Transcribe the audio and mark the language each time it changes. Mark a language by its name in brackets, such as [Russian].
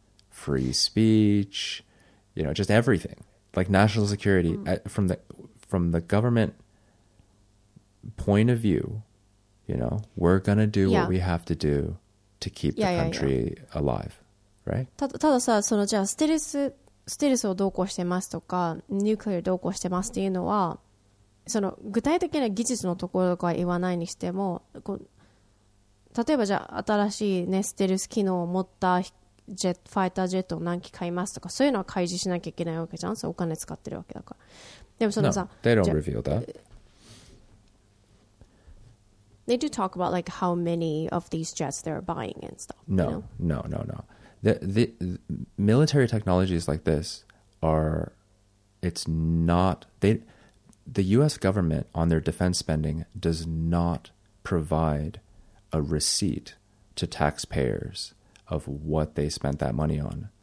[English] Free speech, you know, just everything. Like national security, from the government point of view, you know, we're going to do what we have to do to keep the country alive. Right? [Japanese] たださ、そのじゃあステルスをどうこうしてますとか、ニュークリアをどうこうしてますっていうのは、その具体的な技術のところとかは言わないにしても、こう例えばじゃあ新しい、ね、ステルス機能を持ったジェットファイタージェットを何機買いますとか、そういうのは開示しなきゃいけないわけじゃん、そうお金使ってるわけだから。でもそのさ、 [English] no, they don't reveal that. They do talk about like how many of these jets they're buying and stuff. No, you know? No, no, no. The military technologies like this are, it's not, the U.S. government on their defense spending does not provide a receipt to taxpayers of what they spent that money on.